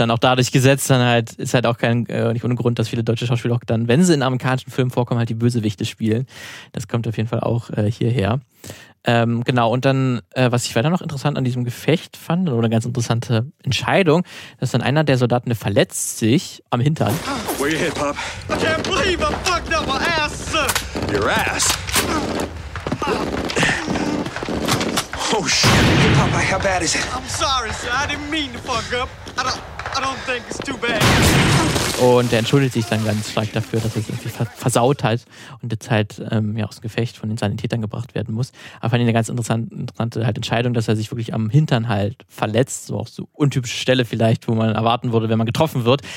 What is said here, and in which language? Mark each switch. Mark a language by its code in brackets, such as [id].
[de] Dann auch dadurch gesetzt, dann halt ist halt auch kein nicht ohne Grund, dass viele deutsche Schauspieler auch dann, wenn sie in amerikanischen Filmen vorkommen, halt die Bösewichte spielen. Das kommt auf jeden Fall auch hierher. Was ich weiter noch interessant an diesem Gefecht fand, oder eine ganz interessante Entscheidung, dass dann einer der Soldaten, der verletzt sich am Hintern. [en] Where you hit, Pop? I can't believe I fucked up my ass, sir! Your ass? Oh, shit. Pop, how bad is it? I'm sorry, sir. I didn't mean to fuck up. I don't think it's too bad. [de] Und der entschuldigt sich dann ganz stark dafür, dass er es irgendwie versaut hat und jetzt halt aus dem Gefecht von den Sanitätern gebracht werden muss. Aber fand ich eine ganz interessante halt Entscheidung, dass er sich wirklich am Hintern halt verletzt, so auch so untypische Stelle vielleicht, wo man erwarten würde, wenn man getroffen wird.